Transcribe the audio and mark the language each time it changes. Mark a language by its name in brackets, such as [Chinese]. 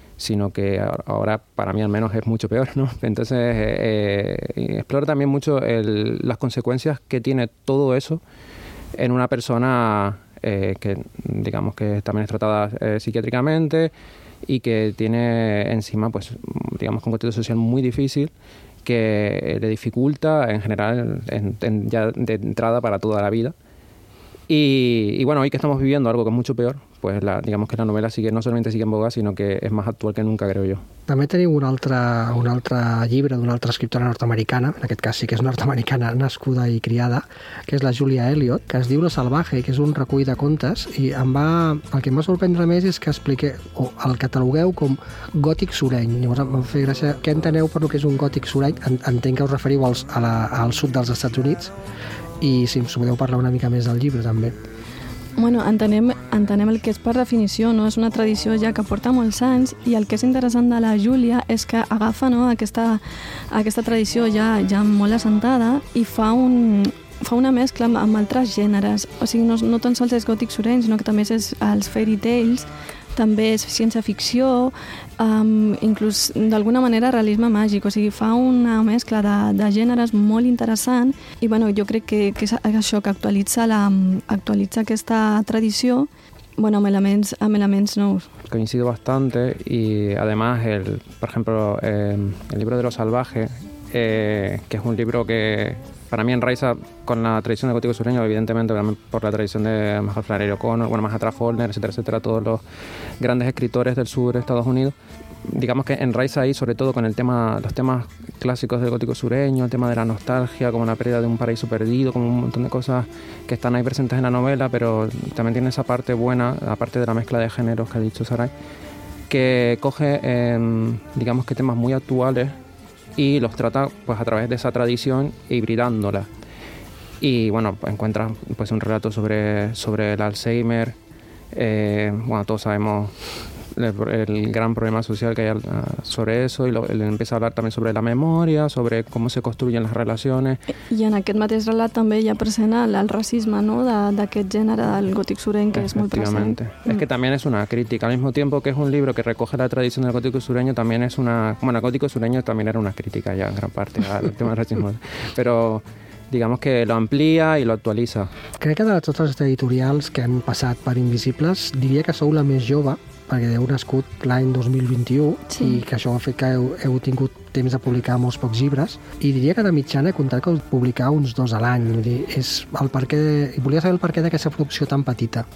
[Spanish] sino que ahora para mí al menos es mucho peor, ¿no? Entonces explora también mucho las consecuencias que tiene todo eso en una persona que digamos que también es tratada psiquiátricamente y que tiene encima pues digamos un contexto social muy difícil que le dificulta en general ya de entrada para toda la vida. Y bueno, hoy que estamos viviendo algo que es mucho peor, pues digamos que la novela sigue, no solamente sigue en boga, sino que es más actual que nunca, creo yo. [Catalan] També tenim un altre llibre d'una altra escriptora nord-americana, en aquest cas sí que és nord-americana nascuda i criada, que és la Julia Elliot, que es diu Lo Salvaje, que és un recull de contes, i el que em va sorprendre més és que expliqué, o el catalogueu com gòtic sureny. Llavors em va fer gràcia, què enteneu per el que és un gòtic sureny? Entenc que us referiu al sud dels Estats Units, i si us podeu parlar una mica més del llibre també. Bueno, entenem el que és per definició, no? És una tradició ja que porta molts anys, i el que és interessant de la Júlia és que agafa, no?, aquesta tradició ja molt assentada i fa una mescla amb altres gèneres. O sigui, no tan sols és gòtic sureny, sinó que també és els fairy tales, també és ciència-ficció, inclús d'alguna manera realisme màgic. O sigui, fa una mescla de gèneres molt interessant, i bueno, jo crec que és això que actualitza aquesta tradició, bueno, amb elements nous. [Spanish] Coincido bastante, y además, por ejemplo, el libro de Lo Salvaje, que es un libro que para mí enraiza con la tradición del gótico sureño, evidentemente, por la tradición de Michael Flannery O'Connor, bueno, más atrás Faulkner, etcétera, etcétera, todos los grandes escritores del sur de Estados Unidos. Digamos que enraiza ahí sobre todo con los temas clásicos del gótico sureño, el tema de la nostalgia, como la pérdida de un paraíso perdido, como un montón de cosas que están ahí presentes en la novela, pero también tiene esa parte buena, aparte de la mezcla de géneros que ha dicho Sarai, que coge, digamos que temas muy actuales, y los trata pues a través de esa tradición hibridándola. Y bueno, pues, encuentras pues un relato sobre el Alzheimer, bueno, todos sabemos el gran problema social que hay sobre eso, y él empieza a hablar también sobre la memoria, sobre cómo se construyen las relaciones. [Catalan] I en aquest mateix relat també hi ha present el racisme, no?, d'aquest gènere del gòtic sureny, que és molt present. [Spanish] Es que también es una crítica, al mismo tiempo que es un libro que recoge la tradición del gòtic sureño, también es una... Bueno, el gòtic sureño también era una crítica ya, en gran parte, al tema del racismo. Pero... digamos que lo amplía y lo actualiza. [Catalan] Crec que de totes les editorials que han passat per Invisibles, diria que sou la més jove, perquè heu nascut l'any 2021, sí. I que això ha fet que heu tingut temps de publicar molts pocs llibres, i diria que de mitjana he comptat que publicar uns dos a l'any. Vull dir, és el perquè... I volia saber el perquè d'aquesta producció tan petita.